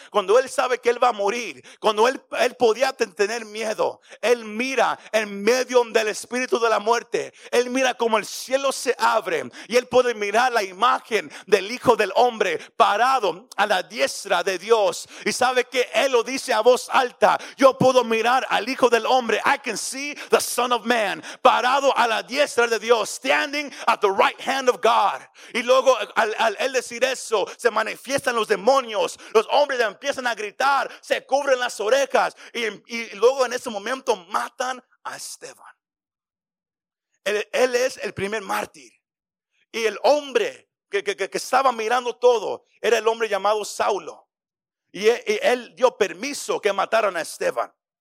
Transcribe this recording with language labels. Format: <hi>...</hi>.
<es>Cuando él sabe que él va a morir, cuando él podía tener miedo, él mira en medio del espíritu de la muerte. Él mira cómo el cielo se abre y él puede mirar la imagen del Hijo del Hombre parado a la diestra de Dios. Y sabe que él lo dice a voz alta: yo puedo mirar al Hijo del Hombre.</es> <en>I can see the Son of Man</en> <es>parado a la diestra de Dios.</es> <en>Standing at the right hand of God.</en> <es>Y luego al él decir eso, se manifiestan los demonios, los hombres empiezan a gritar, se cubren las orejas, y luego en ese momento matan a Esteban. Él es el primer mártir, y el hombre que estaba mirando todo era el hombre llamado Saulo, y él dio permiso que mataran a Esteban.</es>